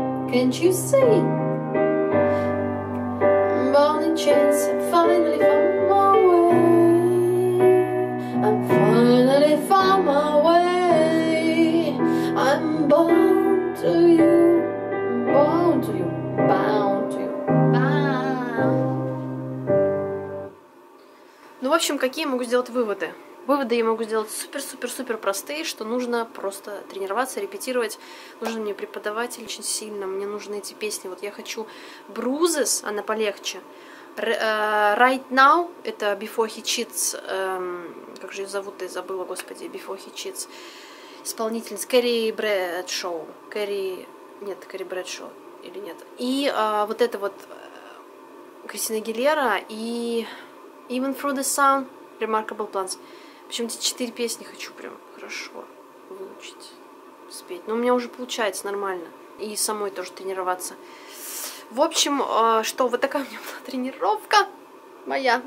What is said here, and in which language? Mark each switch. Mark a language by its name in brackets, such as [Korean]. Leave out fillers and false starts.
[English] Can't you see? I'm bound in chains, I finally found my way. I finally found my way. I'm bound to you, I'm bound to you, bound to you, bound. [Russian] Ну, в общем, какие могу сделать выводы? Выводы я могу сделать супер-супер-супер простые, что нужно просто тренироваться, репетировать. Нужен мне преподаватель очень сильно, мне нужны эти песни. Вот я хочу Bruises, она полегче. Right Now, это Before He Cheats, как же ее зовут-то, я забыла, господи, Before He Cheats. Исполнительница Carrie Bradshaw. Carrie Bradshaw. И вот это вот Кристина Агилера и Even Through the Sound, Remarkable Plants. Причем эти 4 песни хочу прям хорошо выучить, спеть. Но у меня уже получается нормально. И самой тоже тренироваться. В общем, что, вот такая у меня была тренировка моя.